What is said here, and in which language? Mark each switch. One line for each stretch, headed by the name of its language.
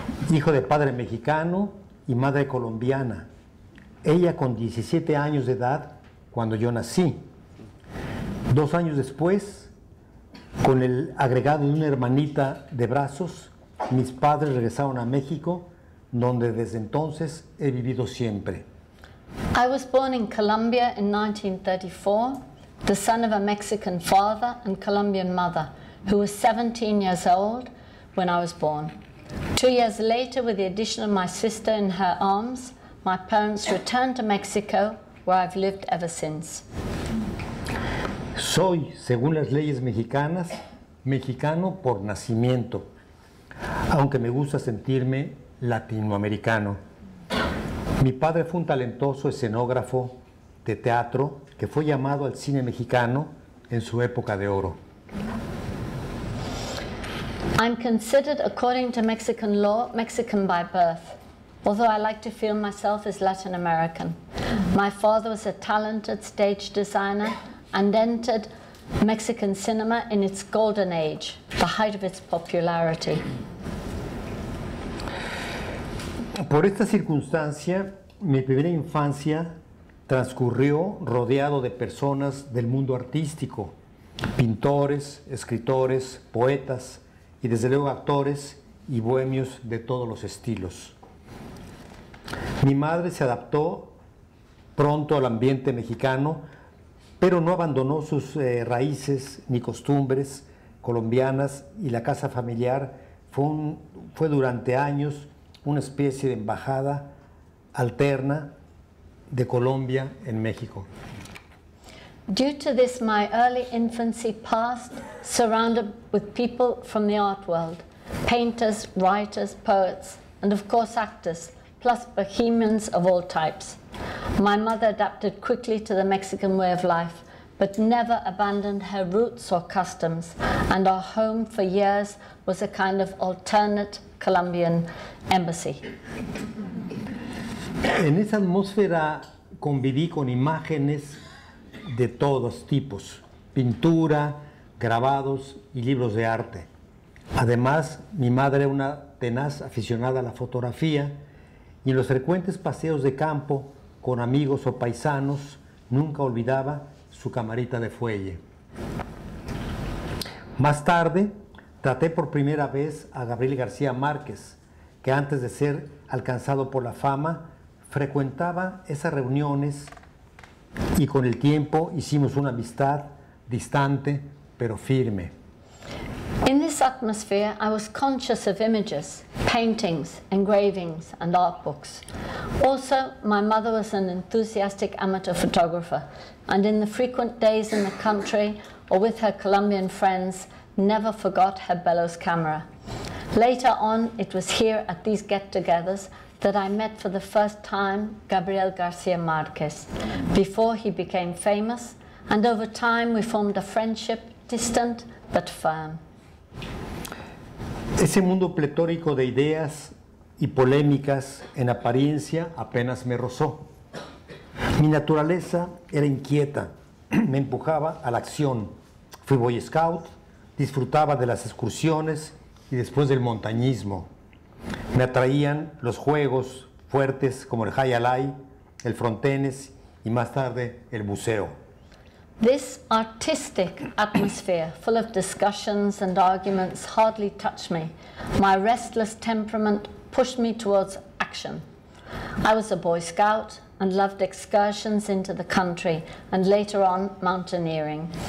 Spanish: Hijo de padre mexicano y madre colombiana. Ella con 17 años de edad cuando yo nací. Dos años después, con el agregado de una hermanita de brazos, mis padres regresaron a México, donde desde entonces he vivido siempre.
English: I was born in Colombia in 1934, the son of a Mexican father and Colombian mother, who was 17 years old when I was born. 2 years later, with the addition of my sister in her arms, my parents returned to Mexico, where I've lived ever since.
Spanish: Soy, según las leyes mexicanas, mexicano por nacimiento, aunque me gusta sentirme latinoamericano. Mi padre fue un talentoso escenógrafo de teatro que fue llamado al cine mexicano en su época de oro.
English: I'm considered, according to Mexican law, Mexican by birth, although I like to feel myself as Latin American. My father was a talented stage designer and entered Mexican cinema in its golden age, the height of its popularity.
Spanish: Por esta circunstancia, mi primera infancia transcurrió rodeado de personas del mundo artístico, pintores, escritores, poetas y desde luego actores y bohemios de todos los estilos. Mi madre se adaptó pronto al ambiente mexicano, pero no abandonó sus raíces ni costumbres colombianas y la casa familiar fue durante años una especie de embajada alterna de Colombia en México.
English: Due to this, my early infancy passed surrounded with people from the art world, painters, writers, poets, and of course actors, plus bohemians of all types. My mother adapted quickly to the Mexican way of life, but never abandoned her roots or customs, and our home for years was a kind of alternate Colombian embassy.
Spanish: En esa atmósfera conviví con imágenes de todos tipos, pintura, grabados y libros de arte. Además, mi madre era una tenaz aficionada a la fotografía y en los frecuentes paseos de campo con amigos o paisanos nunca olvidaba su camarita de fuelle. Más tarde, traté por primera vez a Gabriel García Márquez, que antes de ser alcanzado por la fama, frecuentaba esas reuniones y con el tiempo hicimos una amistad distante pero firme.
English: In this atmosphere, I was conscious of images, paintings, engravings, and art books. Also, my mother was an enthusiastic amateur photographer, and in the frequent days in the country or with her Colombian friends, never forgot her bellows camera. Later on, it was here at these get-togethers that I met for the first time Gabriel García Márquez, before he became famous, and over time we formed a friendship, distant but firm.
Spanish: Ese mundo pletórico de ideas y polémicas en apariencia apenas me rozó. Mi naturaleza era inquieta, me empujaba a la acción. Fui Boy Scout, disfrutaba de las excursiones y después del montañismo. Me atraían los juegos fuertes como el high alley, el frontenis y más tarde el buceo.
English: This artistic atmosphere, full of discussions and arguments, hardly touched me. My restless temperament pushed me towards action. I was a Boy Scout and loved excursions into the country and later on mountaineering.